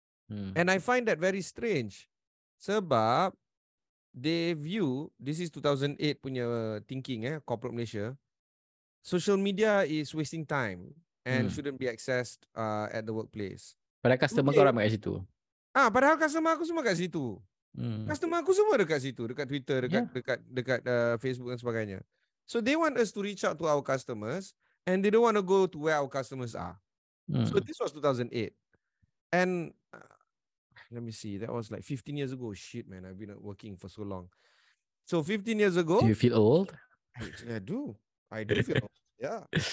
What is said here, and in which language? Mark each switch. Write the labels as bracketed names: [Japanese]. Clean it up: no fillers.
[English] And I find that very strange sebab they view, this is 2008 punya thinking corporate Malaysia, social media is wasting time and shouldn't be accessed at the workplace. [Malay] Padahal customer kau ramai kat situ. Ah, padahal customer aku semua kat situ. Customer aku semua dekat situ, dekat Twitter, dekat Facebook dan sebagainya. [English] So they want us to reach out to our customers and they don't want to go to where our customers are. So this was 2008. And let me see, that was like 15 years ago. Shit, man, I've been working for so long. So 15 years ago. Do you feel old? I do feel old, yeah.